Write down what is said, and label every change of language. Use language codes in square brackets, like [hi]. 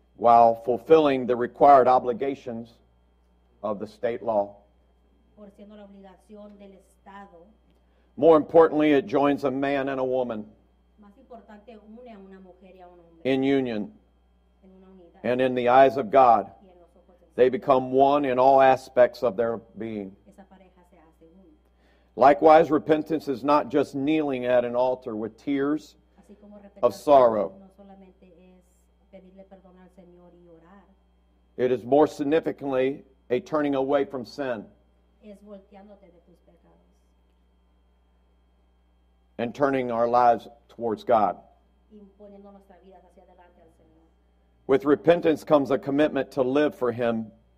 [en] while fulfilling the required obligations of the state law. [es] Por siendo la obligación del Estado. [en] More importantly, it joins a man and a woman [es] más importante, une a una mujer y a un hombre [en] in union. [es] En una unidad. [en] And in the eyes of God, [es] y en los ojos del [en] Señor, they become one in all aspects of their being. [es] Esa pareja se hace uno. [en] Likewise, repentance is not just kneeling at an altar with tears of sorrow. [es] No solamente es pedirle perdón al Señor y orar. [en] It is more significantly a turning away from sin [es] es volteándote de tus pecados [en] and turning our lives towards God. [es] Y poniendo nuestra vida hacia adelante al Señor. [en] With repentance comes a commitment to live for Him.